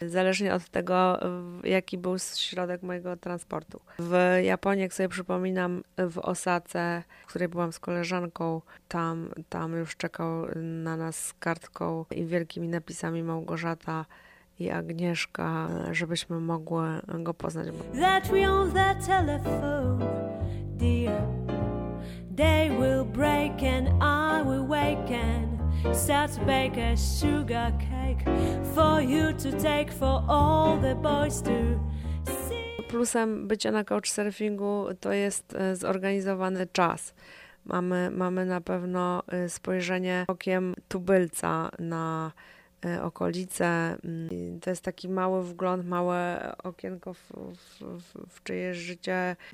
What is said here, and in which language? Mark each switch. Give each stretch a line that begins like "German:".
Polish: Zależnie od tego, jaki był środek mojego transportu. W Japonii, jak sobie przypominam, w Osace, w której byłam z koleżanką, tam już czekał na nas z kartką i wielkimi napisami Małgorzata i Agnieszka, żebyśmy mogły go poznać.
English: That we on the telephone, dear. Day will break and I will waken. Start to bake a sugar cake for you to take for all the boys to see.
Polish: Plusem bycia na couchsurfingu to jest zorganizowany czas. Mamy na pewno spojrzenie okiem tubylca na okolice. To jest taki mały wgląd, małe okienko w czyjeś życie.